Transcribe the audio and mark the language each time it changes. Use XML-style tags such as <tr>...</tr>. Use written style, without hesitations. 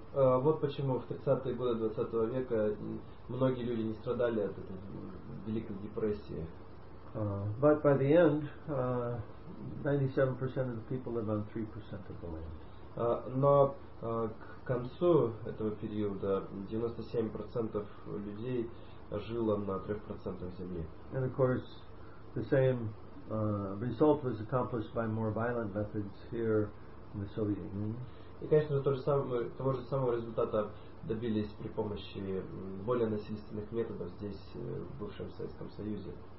<ru>Вот почему в 30-е годы 20-го века многие люди не страдали от этой Великой Депрессии.</ru> <en>But by the end, 97% of the people live on 3% of the land.</en> <ru>Но к концу этого периода 97% людей жило на 3% земли.</ru> <en>And of course, the same result was accomplished by more violent methods here in the Soviet Union.</en> <ru>И, конечно, того же самого результата добились при помощи более насильственных методов здесь, в бывшем Советском Союзе.</ru>